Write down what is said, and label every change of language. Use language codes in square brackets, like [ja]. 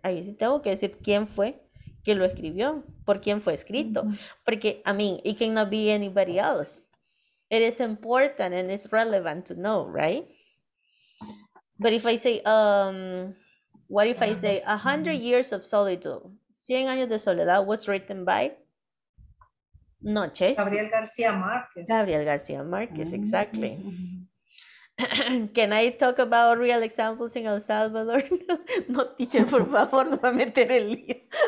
[es] Ahí sí tengo que decir quién fue que lo escribió, por quién fue escrito. [en] Mm-hmm. Porque, I mean, it cannot be anybody else. It is important and it's relevant to know, right? But if I say, what if I say 100 years of solitude, [es] 100 años de soledad [en] was written by? No, Shakespeare. Gabriel García Márquez. Gabriel García Márquez, mm-hmm. Exactly. Mm-hmm. Can I talk about real examples in El Salvador? [es] No, teacher, por favor, no va a meter el lío.